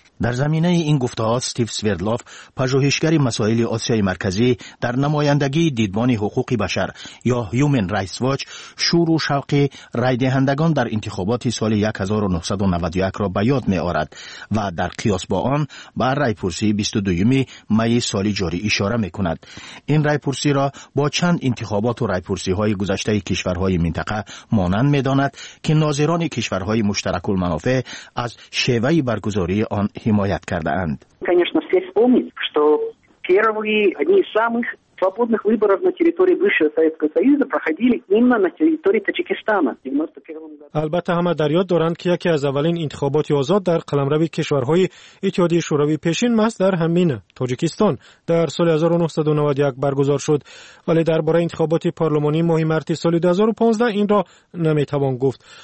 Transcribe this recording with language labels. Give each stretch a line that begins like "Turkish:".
Persian: در زمینه این گفته‌ها استیو سویردلوف، پژوهشگر مسائل آسیای مرکزی در نمایندگی دیدبان حقوق بشر یا Human Rights Watch، شور و شوق رای دهندگان در انتخابات سال 1991 را به یاد می‌آورد و در قیاس با آن به رای پرسی 22 می سال جاری اشاره می‌کند. این رای پرسی را با چند انتخابات و رای پرسی های گذشته کشورهای منطقه مانند می‌داند که ناظران کشورهای مشترک المنافع از شیوه برگزاری آن حمایت کرده اند.
Russian: конечно, все вспомнить, что первые одни из самых свободных выборов на территории бывшего Советского Союза проходили именно на территории Таджикистана.
Persian: البته همه در یاد دارند که یکی از اولین انتخابات آزاد در قلمروی کشورهای اتحادیه شوروی پیشین ماست در همین تاجیکستان در سال 1991 برگزار شد، ولی درباره انتخابات پارلمانی ماه مارس سال 2015 این را نمیتوان گفت.